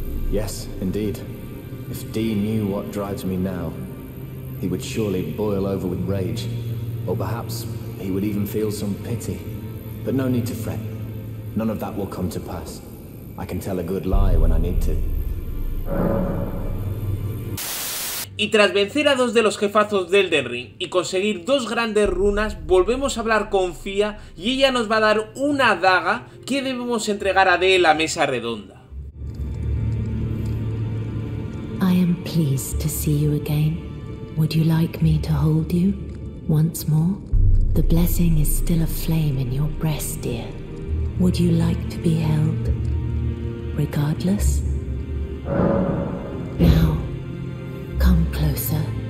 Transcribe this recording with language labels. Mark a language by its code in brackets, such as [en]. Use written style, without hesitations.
[en] Yes, indeed. If Dee knew what drives me now, he would surely boil over with rage, or perhaps he would even feel some pity. But no need to fret. None of that will come to pass. I can tell a good lie when I need to. [es] Y tras vencer a dos de los jefazos de Elden Ring y conseguir dos grandes runas, volvemos a hablar con Fia y ella nos va a dar una daga que debemos entregar a Dee en la mesa redonda. [en] I am pleased to see you again. Would you like me to hold you once more? The blessing is still aflame in your breast, dear. Would you like to be held? Regardless? Now, come closer.